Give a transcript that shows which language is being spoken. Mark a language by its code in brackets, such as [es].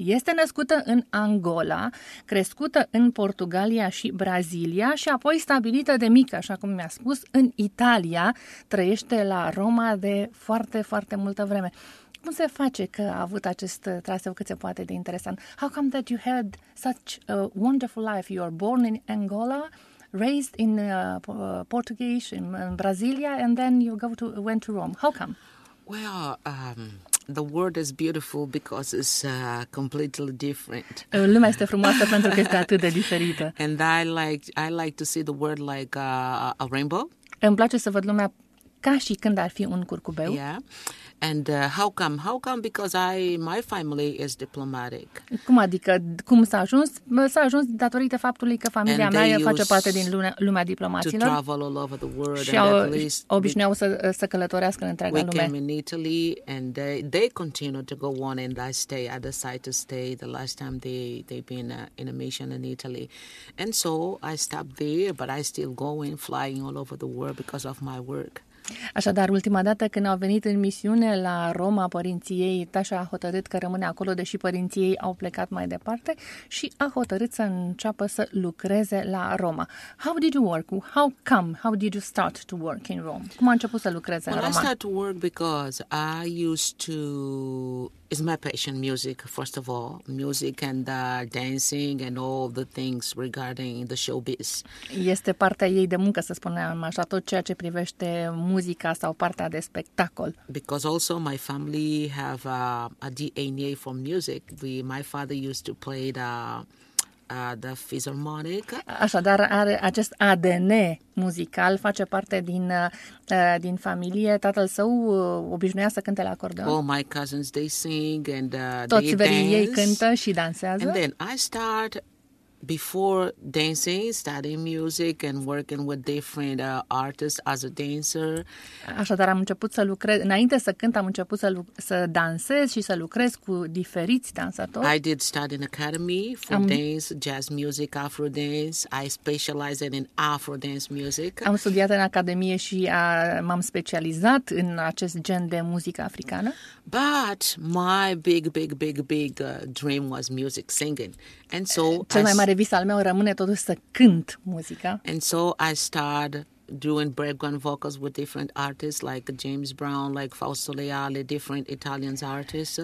[ro] Este născută în Angola, crescută în Portugalia și Brazilia și apoi stabilită de mică, așa cum mi-a spus, în Italia. Trăiește la Roma de foarte, foarte multă vreme. Cum se face că a avut acest traseu cât se poate de interesant? [en] How come that you had such a wonderful life? You were born in Angola, raised in Portuguese, in Brazilia, and then you went to Rome. How come? Well, the world is beautiful because it's completely different. [ro] Lumea este frumoasă pentru că este atât de diferită. [en] And I like to see the world like a rainbow. [ro] Îmi place să văd lumea ca și când ar fi un curcubeu. [en] Yeah. And how come? Because my family is diplomatic. [ro] Cum adică? Cum s-a ajuns? S-a ajuns datorită faptului că familia mea face parte din lumea diplomaților. [en] To travel all over the world. [ro] Și obișnuiau să călătorească în întreaga lume. [en] We came in Italy and they continue to go on and I stay at the site to stay the last time they've been in a mission in Italy. And so I stopped there, but I still going flying all over the world because of my work. [ro] Așadar, ultima dată când au venit în misiune la Roma, părinții ei, Tasha a hotărât că rămâne acolo, deși părinții ei au plecat mai departe și a hotărât să înceapă să lucreze la Roma. [en] How did you work? How come? How did you start to work in Rome? [ro] Cum a început să lucreze la Roma? [en] I started to work because I used to It's my passion, music, first of all. Music and dancing and all the things regarding the showbiz. [ro] Este partea ei de muncă, să spunem așa, tot ceea ce privește muzica sau partea de spectacol. [en] Because also my family have a DNA from music. My father used to play the Philharmonic. [ro] Așadar, are acest ADN muzical, face parte din familie. Tatăl său obișnuia să cânte la acordeon. [en] All my cousins, they sing and [ro] toți Toți ei cântă și dansează. [en] And then I start before dancing, studying music and working with different artists as a dancer. [ro] Așadar, am început să lucrez, înainte să cânt, am început să dansez și să lucrez cu diferiți dansatori. [en] I did study in academy for dance, jazz music, afro dance. I specialized in afro dance music. [ro] Am studiat în academie și m-am specializat în acest gen de muzică africană. [en] But my big dream was music, singing. And so [ro] mare vis al meu rămâne totuși să cânt muzica. [en] And so I start doing background vocals with different artists like James Brown, like Fausto Leali, different Italian artists.